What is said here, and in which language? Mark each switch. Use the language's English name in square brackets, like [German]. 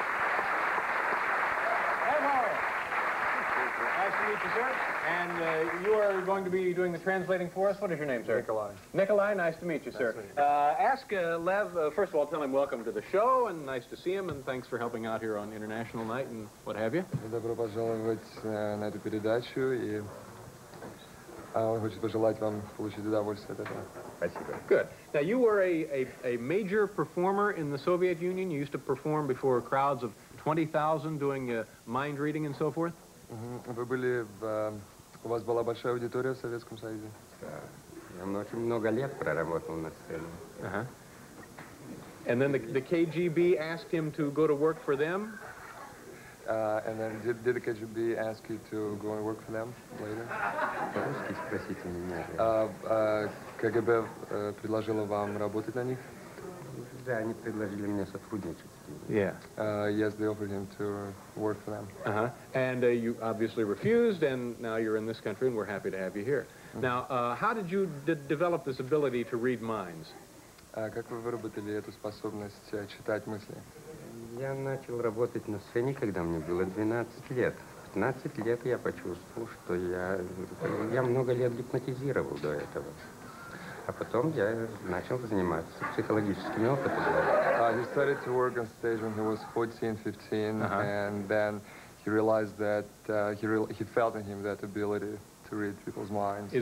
[English] Lev, how are you? Nice to meet you, sir. And you are going to be doing the translating for us. What is your name, sir? Nikolai. Nikolai, nice to meet you, sir. Ask Lev, first of all, tell him welcome to the show, and nice to see him, and thanks for helping out here on International Night and what have you. [Russian] Добро пожаловать на эту передачу, и... Он хочет пожелать вам получить удовольствие от этого. Спасибо. [English] Good. Now, you were a major performer in the Soviet Union. You used to perform before crowds of 20,000 doing mind reading and so forth. [Russian] Mm-hmm. Вы были в... у вас была большая аудитория в Советском Союзе. Да. Я очень много лет проработал на сцене. [English] Uh-huh. And then the KGB asked him to go to work for them? And then did the KGB ask you to go and work for them later? [Russian] По-русски спросите меня. КГБ предложило вам работать на них? Да, они предложили мне сотрудничать. [English] Yeah. Yes, they offered him to work for them. Uh-huh. And you obviously refused, and now you're in this country, and we're happy to have you here. Mm-hmm. Now, how did you develop this ability to read minds? [Russian] Как вы выработали эту способность читать мысли? Я начал работать на сцене, когда мне было 12 лет. 15 лет я почувствовал, что я много лет гипнотизировал до этого. А потом я начал заниматься психологическими опытами. [English] He started to work on stage when he was 14-15, uh-huh. and then he realized that he felt in him that ability to read people's minds.